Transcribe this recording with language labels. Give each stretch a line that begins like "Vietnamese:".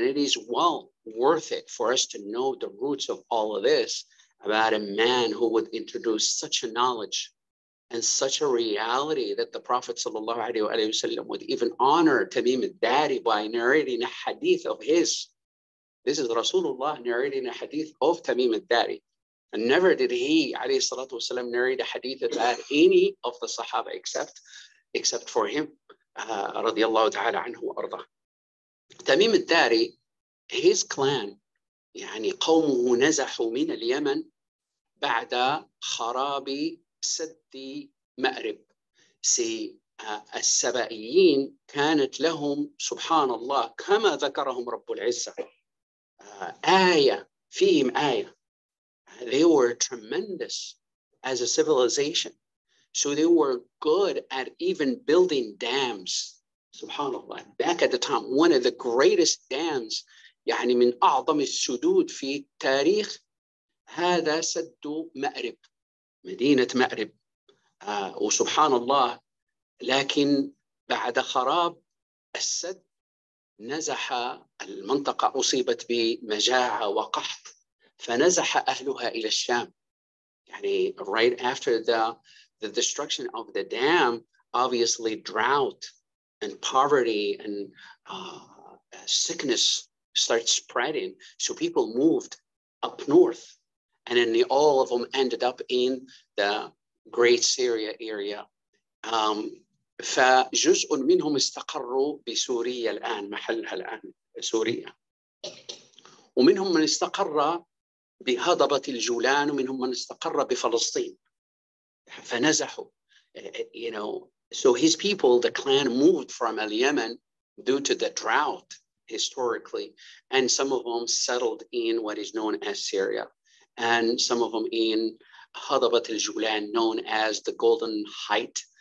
English: And it is well worth it for us to know the roots of all of this about a man who would introduce such a knowledge and such a reality that the Prophet ﷺ would even honor Tamim al-Dari by narrating a hadith of his. This is Rasulullah narrating a hadith of Tamim al-Dari. And never did he,
Arabic: عليه الصلاة والسلام,
English: narrate a hadith about any of the Sahaba except for him,
Arabic: رضي الله تعالى عنه وأرضاه. تميم الداري,
English: his clan,
Arabic: يعني قومه نزحوا من اليمن بعد خراب سد مأرب.
English: See,
Arabic: السبائيين كانت لهم, سبحان الله, كما ذكرهم رب العزة, آية فيهم آية.
English: They were tremendous as a civilization. So they were good at even building dams. SubhanAllah. Back at the time, one of the greatest dams,
Arabic: يعني من أعظم السدود في التاريخ, هذا سد مأرب, مدينة مأرب. وسبحان الله, لكن بعد خراب السد نزح المنطقة, أصيبت بمجاعة وقحط. فنزح أهلها إلى الشام. يعني
English: right after the destruction of the dam, obviously drought and poverty and sickness started spreading. So people moved up north, and then all of them ended up in the Great Syria area.
Arabic: فجزء منهم استقروا بسوريا الآن, محلها الآن سوريا. ومنهم من استقر بهضبة الجولان, ومنهم من استقر بفلسطين. فنزحوا,
English: you know, so his people, the clan, moved from Yemen due to the drought historically, and some of them settled in what is known as Syria, and some of them in هضبة الجولان, known as the Golden Height.